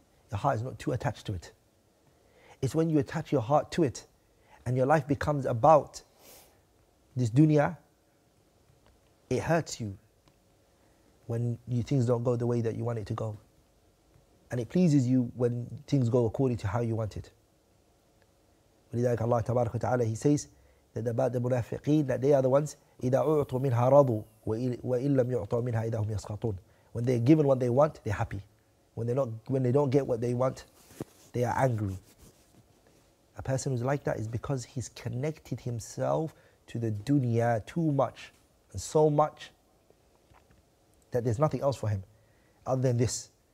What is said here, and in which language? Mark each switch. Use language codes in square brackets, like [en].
[en] Your heart is not too attached to it. It's when you attach your heart to it and your life becomes about this dunya, it hurts you when things don't go the way that you want it to go. And it pleases you when things go according to how you want it. [ar] ولذلك الله تبارك وتعالى, [en] He says that about the munafiqeen, that they are the ones, [ar] إِذَا أُعْطُوا مِنْهَا رَضُوا وَإِنْ لَمْ يُعْطَوْا مِنْهَا إِذَا هُمْ يَسْخَطُونَ. [en] When they're given what they want, they're happy. When they don't get what they want, they are angry. A person who's like that is because he's connected himself to the dunya too much and so much that there's nothing else for him other than this.